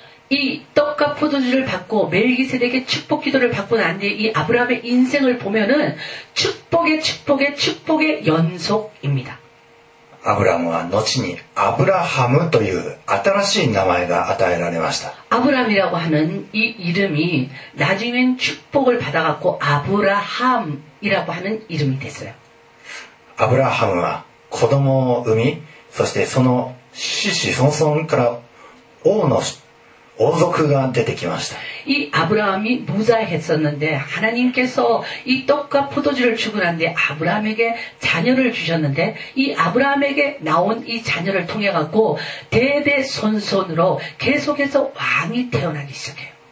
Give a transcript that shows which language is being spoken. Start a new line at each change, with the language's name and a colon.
Korean: 이떡과포도주를받고멜기세덱의축복기도를받고난뒤이아브라함의인생을보면은축복의축복의축복의연속입니다
Japanese: 아브라함은後にアブラハムという新しい名前が与えられました
Korean: 아브라함이라고하는이이름이나중엔축복을받아갖고아브라함이라고하는이름이됐어요
Japanese: 아브라함은子供を産み、そしてその子子孫孫から王の王族が出てきました。
Korean: 이아브라함이무자했었는데하나님께서이떡과포도주를주고난뒤아브라함에게자녀를주셨는데이아브라함에게나온이자녀를통해갖고대대손손으로계속해서왕이태어나기시작해요